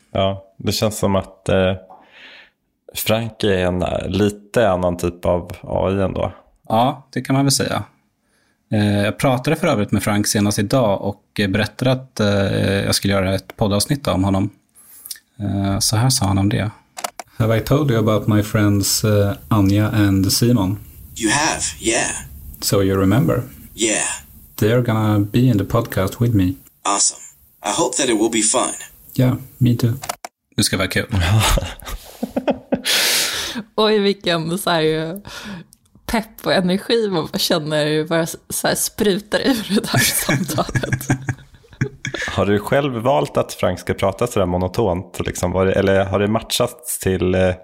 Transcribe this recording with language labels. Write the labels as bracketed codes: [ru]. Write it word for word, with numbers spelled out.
[sv] Ja, det känns som att eh, Frank är en lite annan typ av A I ändå. Ja, det kan man väl säga. Eh, jag pratade för övrigt med Frank senast idag och berättade att eh, jag skulle göra ett poddavsnitt om honom. Eh, så här sa han om det. [en] Have I told you about my friends uh, Anja and Simon? You have, yeah. So you remember? Yeah. They're gonna be in the podcast with me. Awesome. I hope that it will be fun. Yeah, me too. [sv] Det ska vara kul. Oj, vilken så här pepp och energi man känner bara så här sprutar ur det där samtalet. Har du själv valt att Frank ska prata sådär monotont? Liksom, eller har det matchats till...